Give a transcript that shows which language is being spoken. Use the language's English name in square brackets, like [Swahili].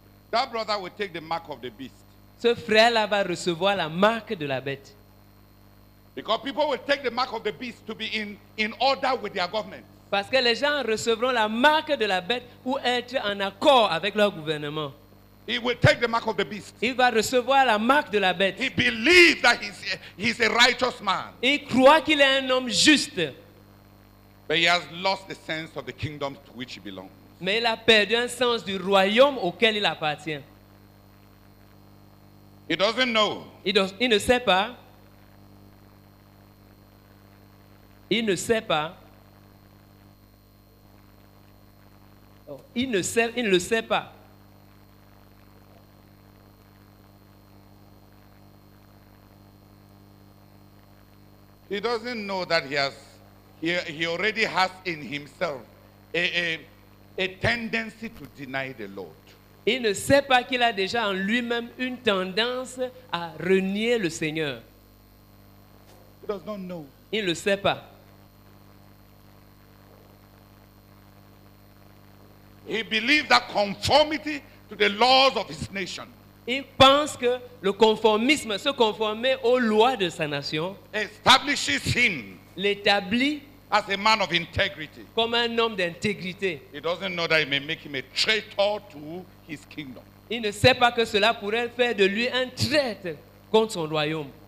[English] That brother will take the mark of the beast. [French] Ce frère-là va recevoir la marque de la bête. [English] Because people will take the mark of the beast to be in order with their government. [French] Parce que les gens recevront la marque de la bête pour être en accord avec leur gouvernement. [English] He will take the mark of the beast. [French] Il va recevoir la marque de la bête. [English] He believes that he's a righteous man. [French] Il croit qu'il est un homme juste. [English] But he has lost the sense of the kingdom to which he belongs. [French] Mais il a perdu un sens du royaume auquel il appartient. [English] He doesn't know. [French] Il ne sait pas. Il ne sait pas. Il ne le sait pas. [English] He doesn't know that he already has in himself a tendency to deny the Lord. [French] Il ne sait pas qu'il a déjà en lui-même une tendance à renier le Seigneur. [English] He does not know. [French] Il ne le sait pas. [English] He believes that conformity to the laws of his nation. [French] Il pense que le conformisme, se conformer aux lois de sa nation, [English] establishes him. [French] L'établit. [English] As a man of integrity. [French] Comme un homme d'intégrité. [English] He doesn't know that it may make him a traitor to his kingdom. [French] Il ne sait pas que cela pourrait faire de lui un traître contre son royaume.